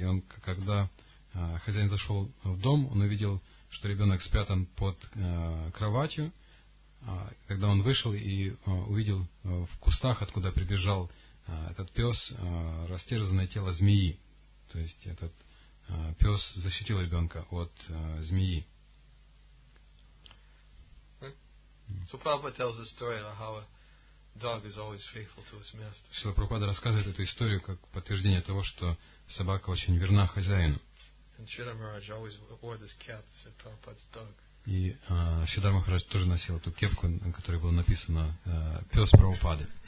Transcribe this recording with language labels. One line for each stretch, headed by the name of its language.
Russian: И он, когда хозяин зашел в дом, он увидел, что ребенок спрятан под кроватью. Когда он вышел и увидел в кустах, откуда прибежал этот пес, растерзанное тело змеи. То есть этот пес защитил ребенка от змеи.
English: So Prabhupada tells the story of how a dog is always faithful to its master.
Russian: Шрила Прабхупада рассказывает эту историю как подтверждение того, что собака очень верна хозяину.
English: And Shrila Maharaj always wore this cap that said Prabhupada's dog.
Russian: И Шридхар Махарадж тоже носил эту кепку, на которой было написано «Пес Прабхупады».